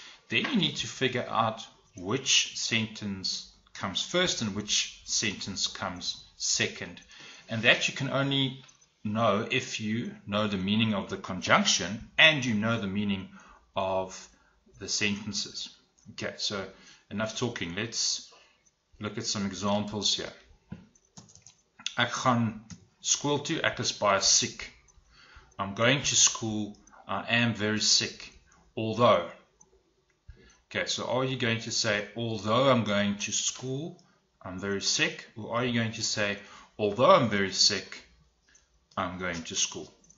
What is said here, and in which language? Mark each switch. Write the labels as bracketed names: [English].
[English] Then you need to figure out which sentence comes first and which sentence comes second. And that you can only know if you know the meaning of the conjunction and you know the meaning of the sentences. Okay, so enough talking. Let's look at some examples here. [Afrikaans] Ek gaan skool toe, ek is baie siek. [English] I'm going to school, I am very sick, although. Okay, so are you going to say, although I'm going to school, I'm very sick? Or are you going to say, although I'm very sick, I'm going to school?